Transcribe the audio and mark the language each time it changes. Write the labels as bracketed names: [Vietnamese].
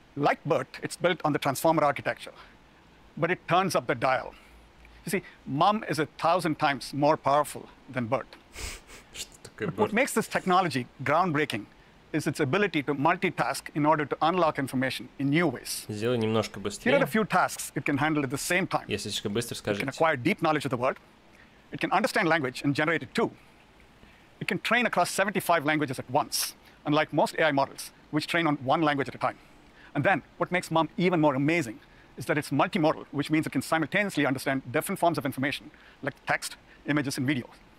[English] Like BERT, it's built on the transformer architecture, but it turns up the dial. You see, MUM is 1,000 times more powerful than BERT. But what makes this technology groundbreaking is its ability to multitask in order to unlock information in new ways. [Russian] Сделай немножко быстрее. [English] Here are a few tasks it can handle at the same time. [Russian] Если слишком быстро скажите. [English] It can acquire deep knowledge of the world. It can understand language and generate it too. It can train across 75 languages at once, unlike most AI models, which train on one language at a time. And then, what makes MUM even more amazing is that it's multimodal, which means it can simultaneously understand different forms of information, like text, images, and video.